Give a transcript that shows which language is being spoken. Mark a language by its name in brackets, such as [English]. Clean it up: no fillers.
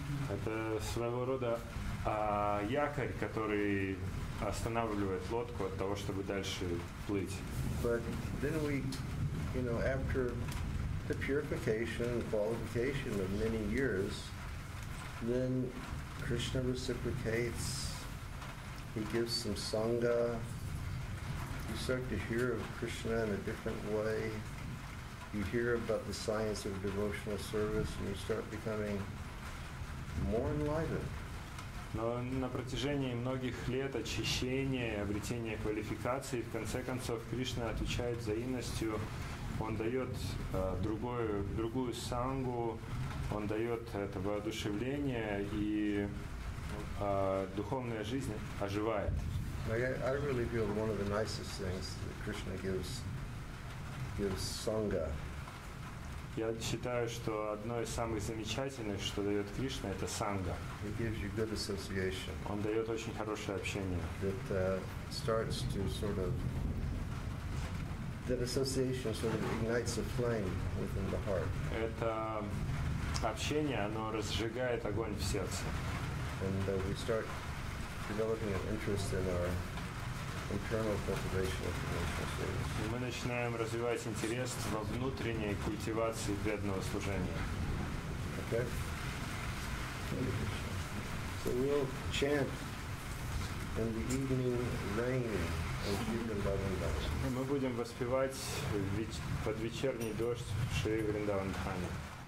[Russian] Это своего рода якорь, который останавливает лодку от того, чтобы дальше плыть. [English] But then we, you know, after the purification and qualification of many years, then Krishna reciprocates, he gives some sangha, you start to hear of Krishna in a different way. You hear about the science of devotional service, and you start becoming more enlightened. [Russian] Но на протяжении многих лет очищения, обретения квалификации, в конце концов, Кришна отвечает взаимностью. Он дает другую сангу, он дает это воодушевление, и духовная жизнь оживает. [English] I really feel one of the nicest things that Krishna gives sangha. [Russian] Я считаю, что одно из самых замечательных, что дает Кришна, это санга. [English] He gives you good association. [Russian] Он дает очень хорошее общение. [English] That starts to sort of, that association sort of ignites a flame within the heart. [Russian] Это общение, оно разжигает огонь в сердце. [English] And we start developing an interest in our internal cultivation of devotional service. [Russian] Мы начинаем развивать интерес во внутренней культивации преданного служения. [English] Okay. So we'll chant in the evening rain of Govinda. [Russian] Мы будем воспевать под вечерний дождь Шри Вриндаван Дхами.